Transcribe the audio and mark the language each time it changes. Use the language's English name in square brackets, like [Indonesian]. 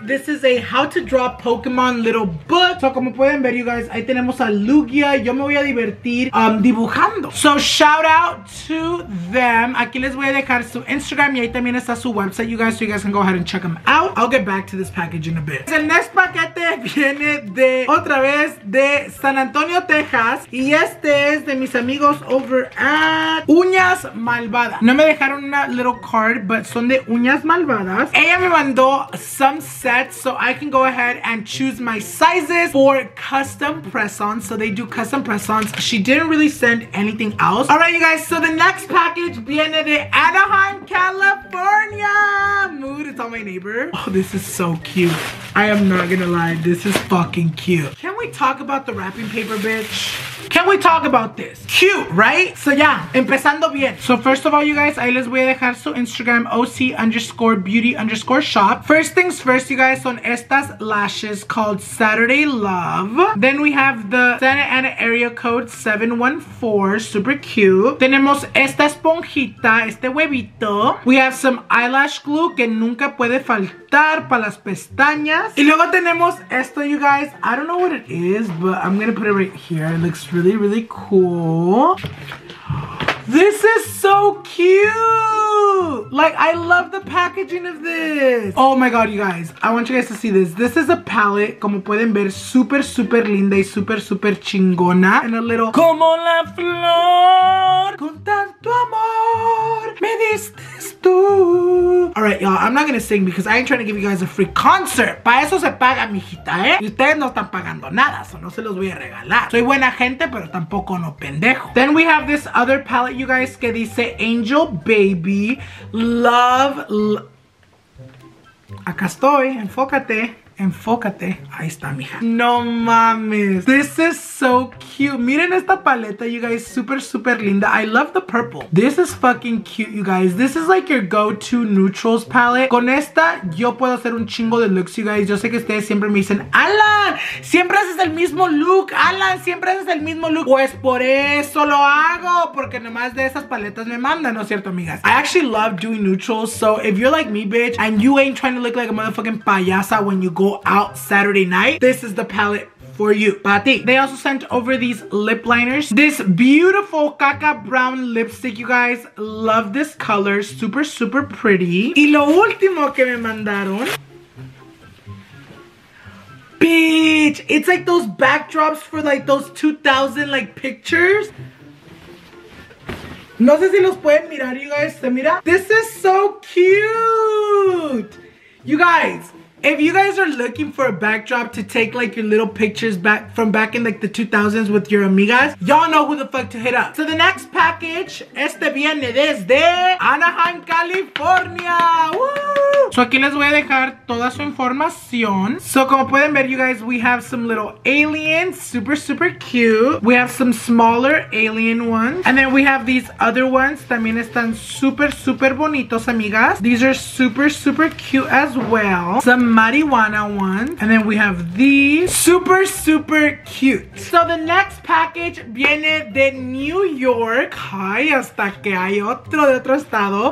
[English] This is a how to draw Pokemon little book. [Spanish] So como pueden ver, [English] you guys, [Spanish] ahí tenemos a Lugia. Yo me voy a divertir dibujando. [English] So shout out to them. [Spanish] Aquí les voy a dejar su Instagram y ahí también está su [English] website, you guys, so you guys can go ahead and check them out. I'll get back to this package in a bit. [Spanish] El [English] next [Spanish] paquete viene de otra vez de San Antonio, Texas, y este es de mis amigos [English] over at [Spanish] Uñas Malvadas. No me dejaron una [English] little card, but [Spanish] son de Uñas Malvadas. Ella me mandó [English] some sets so I can go ahead and choose my sizes for custom press-ons. So they do custom press-ons. She didn't really send anything else. Alright, you guys, so the next package [Spanish] viene de [English] Anaheim, California. Mood, it's all my neighbor. Oh, this is so cute. I am not gonna lie, this is fucking cute. Can we talk about the wrapping paper, bitch? Can we talk about this? Cute, right? So yeah, [Spanish] empezando bien. [English] So first of all, you guys, [Spanish] ahí les voy a dejar su [English] Instagram, OC_beauty_shop. First things first, you guys, [Spanish] son estas [English] lashes called Saturday Love. Then we have the Santa Ana area code 714, super cute. [Spanish] Tenemos esta esponjita, este huevito. [English] We have some eyelash glue [Spanish] que nunca puede faltar para las pestañas. Y luego tenemos esto, [English] you guys. I don't know what it is, but I'm gonna put it right here. It looks really, really cool. This is so cute. Like, I love the packaging of this. Oh my god, you guys, I want you guys to see this. This is a palette, [Spanish] como pueden ver, super, super linda y super, super chingona. [English] And a little [Spanish] como la flor con tanto amor me diste tú. [English] All right, y'all, I'm not gonna sing because I ain't trying to give you guys a free concert. [Spanish] Para eso se paga, mijita, eh. Y ustedes no están pagando nada, so no se los voy a regalar. Soy buena gente, pero tampoco no pendejo. [English] Then we have this other palette, you guys, [Spanish] que dice Angel Baby Love. Acá estoy, enfócate. Enfócate. Ahí está, mija. No mames. [English] This is so cute. [Spanish] Miren esta paleta, [English] you guys. [Spanish] Super, super linda. [English] I love the purple. This is fucking cute, you guys. This is like your go-to neutrals palette. [Spanish] Con esta, yo puedo hacer un chingo de looks, [English] you guys. [Spanish] Yo sé que ustedes siempre me dicen, Alan, siempre haces el mismo look. Alan, siempre haces el mismo look. Pues por eso lo hago. Porque nomás de esas paletas me mandan, ¿no es cierto, amigas? [English] I actually love doing neutrals. So if you're like me, bitch, and you ain't trying to look like a motherfucking [Spanish] payasa [English] when you go out Saturday night, this is the palette for you. Baddie. They also sent over these lip liners. This beautiful caca brown lipstick, you guys. Love this color. Super, super pretty. [Spanish] Y lo último que me mandaron. [English] Bitch. It's like those backdrops for like those 2000 like pictures. [Spanish] No sé si los pueden mirar, [English] you guys. [Spanish] Mira. [English] This is so cute. You guys, if you guys are looking for a backdrop to take like your little pictures back from back in like the 2000s with your amigas, y'all know who the fuck to hit up. So the next package, [Spanish] este viene desde [English] Anaheim, California. Woo! [Spanish] So aquí les voy a dejar toda su información. [English] So [Spanish] como pueden ver, [English] you guys, we have some little aliens, super, super cute. We have some smaller alien ones. And then we have these other ones. [Spanish] También están super, super bonitos, amigas. [English] These are super, super cute as well. Some marijuana ones. And then we have these, super, super cute. So the next package [Spanish] viene de [English] New York. [Spanish] Ay, hasta que hay otro de otro estado.